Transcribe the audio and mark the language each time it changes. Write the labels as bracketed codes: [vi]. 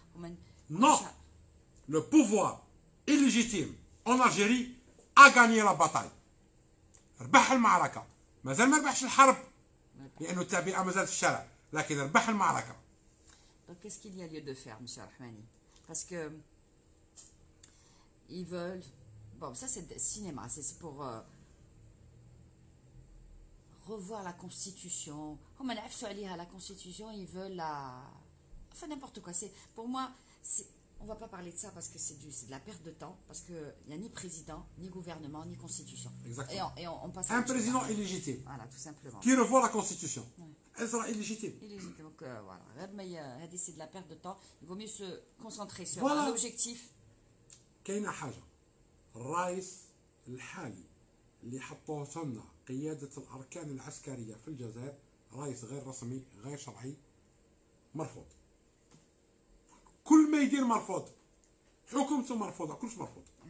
[fr] Oui, non, le pouvoir illégitime en Algérie a gagné la bataille. [ar] ربح المعركة. مازال ما ربحش الحرب، لأنه التعبئة مازالت في الشارع، لكن ربح المعركة. [fr] Donc, qu'est-ce qu'il y a lieu de faire, monsieur Rahmani? Parce que. Ils veulent. Bon, ça, c'est le cinéma. C'est pour. Revoir la constitution. Comme on a fait lire la constitution, ils veulent la. Enfin, n'importe quoi. C'est, pour moi, c'est, on ne va pas parler de ça parce que c'est de la perte de temps. Parce qu'il n'y a ni président, ni gouvernement, ni constitution. Exactement. Et on passe à un président illégitime. Voilà, tout simplement. Qui revoit la constitution. Ouais. Elle sera illégitime. Illégitime. Donc, voilà. C'est de la perte de temps. Il vaut mieux se concentrer sur voilà. L'objectif. [ar] كاين حاجه، الرئيس الحالي اللي حطوه سنه قياده الاركان العسكريه في الجزائر، رئيس غير رسمي غير شرعي، مرفوض. كل ما يدير مرفوض، حكومته مرفوضه، كلش مرفوض.